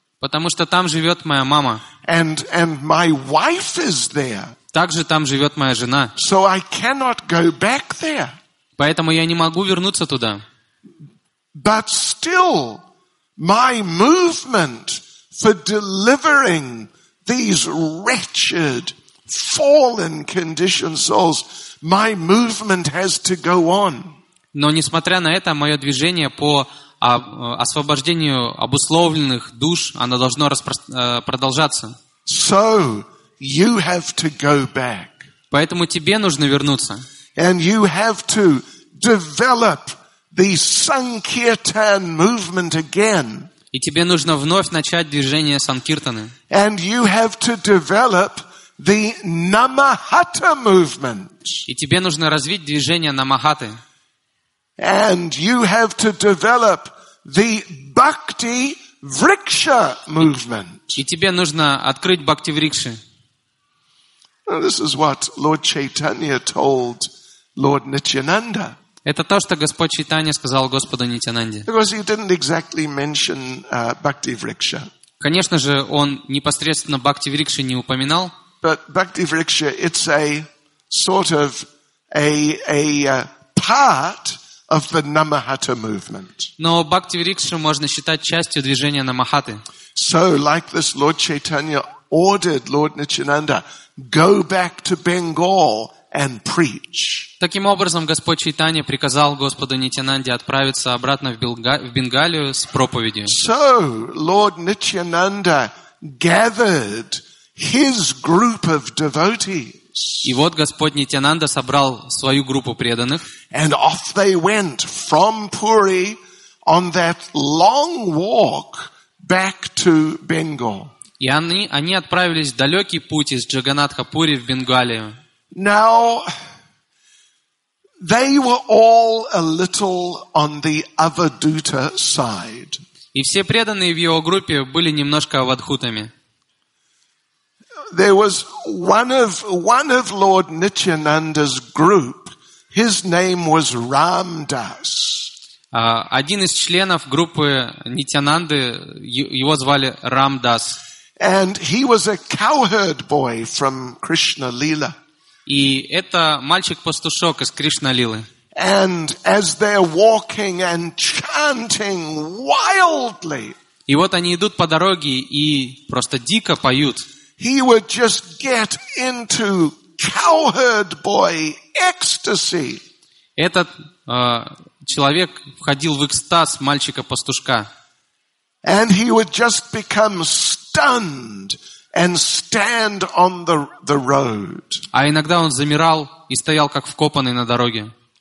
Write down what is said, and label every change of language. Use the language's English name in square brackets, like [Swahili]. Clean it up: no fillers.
[Russian] Потому что там живет моя мама. [English] And my wife is there. [Russian] Также там живет моя жена. [English] So I cannot go back there. [Russian] Поэтому я не могу вернуться туда. [English] But still, my movement for delivering these wretched, fallen, conditioned souls, my movement has to go on. [Russian] Но несмотря на это, мое движение по освобождению обусловленных душ, оно должно продолжаться. [English] So you have to go back. [Russian] Поэтому тебе нужно вернуться. [English] And you have to develop the Sankirtan movement again. [Russian] И тебе нужно вновь начать движение Санкиртаны. [English] And you have to develop the Намахата movement. [Russian] И тебе нужно развить движение Намахаты. [English] And you have to develop the Bhakti Vriksha movement. [Russian] И тебе нужно открыть Бхакти Врикши. [English] This is what Lord Chaitanya told Lord Nityananda. [Russian] Это то, что Господь Чайтанья сказал Господу Нитянанде. [English] Because he didn't exactly mention Bhakti Vriksha. [Russian] Конечно же, он непосредственно Бхакти Врикши не упоминал. [English] But Bhakti Vriksha, it's a sort of a part of the Намахата movement. [Russian] Но Бхакти Врикша можно считать частью движения Намахаты. [English] So like this, Lord Chaitanya ordered Lord Nityananda go back to Bengal and preach. [Russian] Таким образом, Господь Чайтанья приказал Господу Нитянанде отправиться обратно в Бенгалию с проповедью. [English] So Lord Nityananda gathered his group of devotees. [Russian] И вот Господь Нитянанда собрал свою группу преданных. [English] And off they went from Puri on that long walk back to Bengal. [Russian] И они отправились в далекий путь из Джаганатхапури в Бенгалию. [English] Now, they were all a little on the Avaduta side. [Russian] И все преданные в его группе были немножко авадхутами. [English] There was one of Lord Nityananda's group. His name was Ramdas. [Russian] Один из членов группы Нитянанды, его звали Рамдас. [English] And he was a cowherd boy from Krishna Lila. [Russian] И это мальчик-пастушок из Кришналилы. [English] And as they're walking and chanting wildly. [Russian] И вот они идут по дороге и просто дико поют. [English] He would just get into cowherd boy ecstasy. [Russian] Этот человек входил в экстаз мальчика-пастушка. [English] And he would just become stunned and stand on the road. [Russian] А иногда он замирал и стоял как вкопанный на дороге.